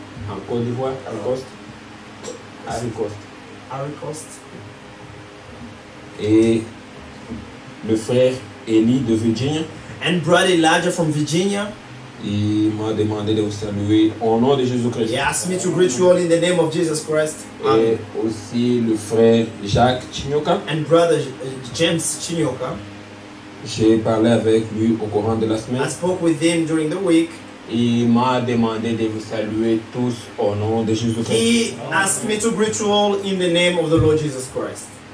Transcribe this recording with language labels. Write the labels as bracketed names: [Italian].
[French] En Côte d'Ivoire. Ivory Coast. [English] Ivory Coast. Ivory Coast. [French] Et le frère Elie de Virginia. [English] And brother Elijah from Virginia. [French] Il m'a demandé de vous saluer au nom de Jésus-Christ. [English] He asked me to greet you all in the name of Jesus Christ. [French] Et aussi le frère Jacques Chinyoka. [English] And brother James Chinyoka. [French] J'ai parlé avec lui au courant de la semaine. [English] I spoke with him during the week. [French] Il m'a demandé de vous saluer tous au nom de Jésus-Christ. [English] He asked me to greet you all in the name of the Lord Jesus Christ.